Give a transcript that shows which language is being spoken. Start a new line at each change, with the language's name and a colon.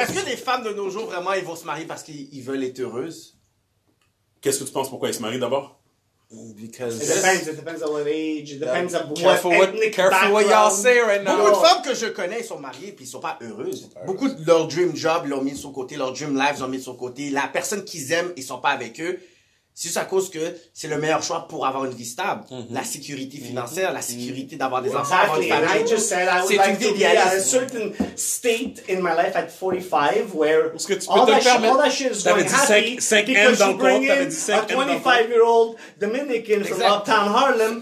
French: Est-ce que les femmes de nos jours, vraiment, ils vont se marier parce qu'ils veulent être heureuses? Qu'est-ce que tu penses pourquoi ils se marient d'abord?
English: Because it depends on what age, it depends on what ethnic background. Careful what y'all say right now.
French: Beaucoup de femmes que je connais, ils sont mariées puis ils sont pas heureuses. Beaucoup de leur dream job, ils l'ont mis de son côté, leur dream life, ils l'ont mis de son côté. La personne qu'ils aiment, ils sont pas avec eux. C'est juste à cause que c'est le meilleur choix pour avoir une vie stable. Mm-hmm. La sécurité financière, la sécurité d'avoir des enfants.
English: Exactly.
French: Avoir une famille.
English: And I just said I would like to be at a certain state in my life at 45 where all that shit is going happy because you bring in a 25-year-old Dominican from uptown Harlem.